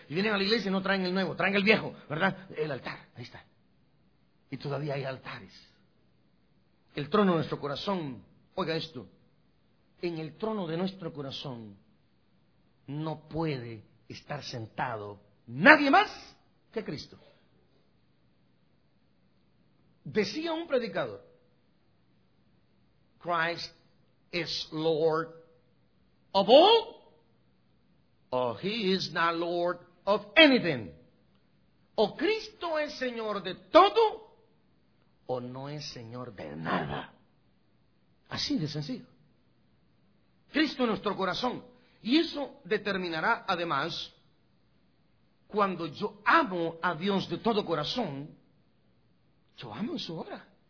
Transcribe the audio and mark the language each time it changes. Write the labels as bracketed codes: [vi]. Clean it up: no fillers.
[es] Y vienen a la iglesia y no traen el nuevo, traen el viejo, ¿verdad? El altar, ahí está. Y todavía hay altares. El trono de nuestro corazón, oiga esto, en el trono de nuestro corazón no puede estar sentado nadie más que Cristo. Decía un predicador, [en] Christ is Lord of all, or he is not Lord of anything. [es] O Cristo es Señor de todo, o no es Señor de nada. Así de sencillo. Cristo en nuestro corazón. Y eso determinará, además, cuando yo amo a Dios de todo corazón, yo amo su obra.